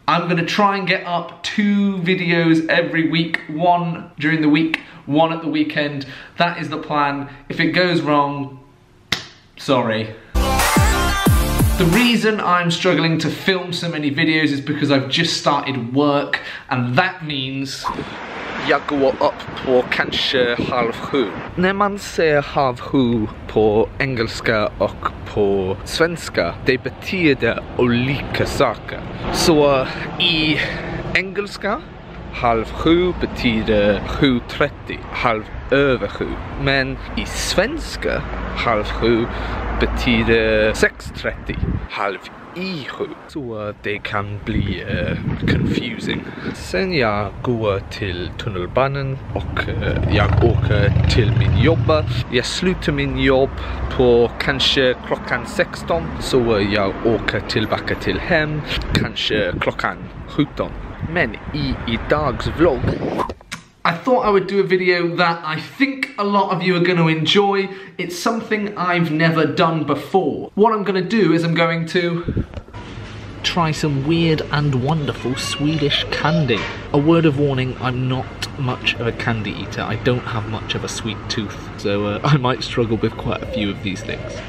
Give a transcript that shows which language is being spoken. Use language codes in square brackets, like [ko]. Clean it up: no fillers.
[en] I'm gonna try and get up 2 videos every week, 1 during the week, 1 at the weekend. That is the plan. If it goes wrong, sorry. The reason I'm struggling to film so many videos is because I've just started work, and that means... [sv] Jag går upp på kanske halv 7. När man säger halv 7 på engelska och på svenska, det betyder olika saker. Så i engelska, halv 7 betyder 7:30, halv över 7. Men i svenska, halv 7 betyder 6:30, halv I 7. Så det kan bli confusing. Sen jag går till tunnelbanan och jag åker till min jobb. Jag slutar min jobb på kanske klockan 16. Så jag åker tillbaka till hem kanske klockan 17. Men I dagens vlogg. [en] I thought I would do a video that I think a lot of you are going to enjoy. It's something I've never done before. What I'm going to do is I'm going to try some weird and wonderful Swedish candy. A word of warning, I'm not much of a candy eater. I don't have much of a sweet tooth, so I might struggle with quite a few of these things.